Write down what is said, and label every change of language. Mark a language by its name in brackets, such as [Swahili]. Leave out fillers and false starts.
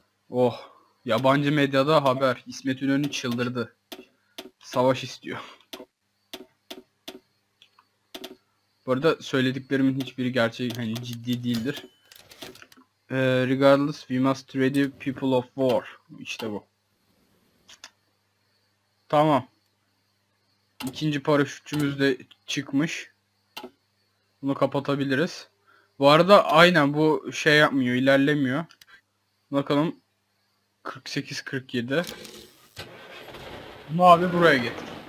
[Turkish] Oh, yabancı medyada haber. İsmet İnönü çıldırdı. Savaş istiyor. Bu arada söylediklerimin hiçbiri gerçek, hani ciddi değildir. [English] Regardless, we must ready people of war. [Turkish] İşte bu. Tamam. İkinci paraşütçümüz de çıkmış. Bunu kapatabiliriz. Bu arada aynen bu şey yapmıyor, ilerlemiyor. Bakalım. 48-47. Bunu abi buraya getir.